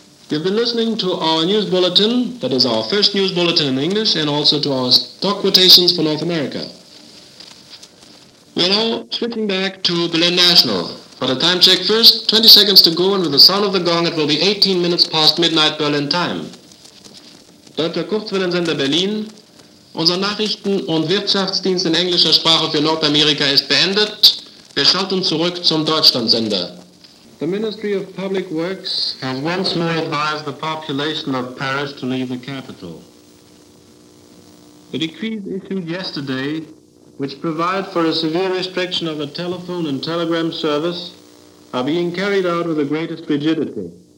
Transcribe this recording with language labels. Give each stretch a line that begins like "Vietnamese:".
English: You've been listening to our news bulletin, that is our first news bulletin in English, and also to our stock quotations for North America. We're now switching back to Berlin National. For the time check first, 20 seconds to go, and with the sound of the gong, it will be 18 minutes past midnight Berlin time. Dr.
German: Kurzwellensender Berlin, unser Nachrichten- und Wirtschaftsdienst in englischer Sprache für Nordamerika ist beendet. Wir schalten zurück zum Deutschlandsender.
English: The Ministry of Public Works has once more advised the population of Paris to leave the capital. The decrees issued yesterday, which provide for a severe restriction of a telephone and telegram service, are being carried out with the greatest rigidity.